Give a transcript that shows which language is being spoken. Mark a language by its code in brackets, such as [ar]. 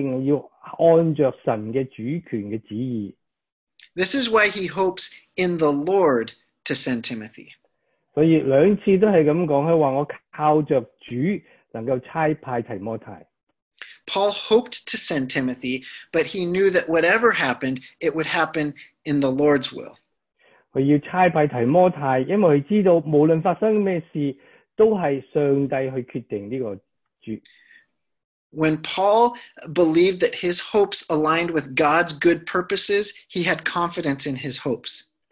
[zh] 他的肯定就是肯定一切的发生一定要按着神的主权的旨意。 [en] This is why he hopes in the Lord to send Timothy. [zh] 所以两次都是这样说,他说我靠着主能够差派提摩太。 [en] Paul hoped to send Timothy, but he knew that whatever happened, it would happen in the Lord's will. [zh] 他要差派提摩太,因为他知道无论发生什么事,都是上帝去决定这个主。 [en] When Paul believed that his hopes aligned with God's good purposes, he had confidence in his hopes.